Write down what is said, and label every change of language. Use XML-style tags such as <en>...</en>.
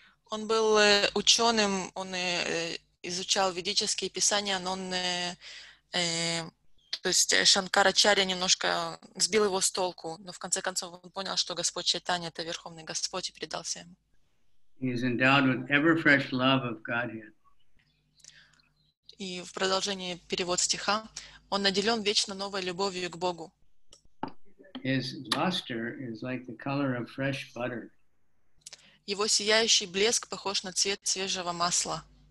<ru>Он был ученым, он изучал ведические писания, но он, то есть Шанкарачарья немножко сбил его с толку, но в конце концов он понял, что Господь Чайтанья — это Верховный Господь, и предался ему.</ru> <en>He is endowed with ever-fresh love of Godhead.</en> <ru>И в продолжении перевод стиха: он наделен вечно новой любовью к Богу.</ru> <en>His luster is like the color of fresh butter.</en> <ru>Его сияющий блеск похож на цвет свежего масла.</ru>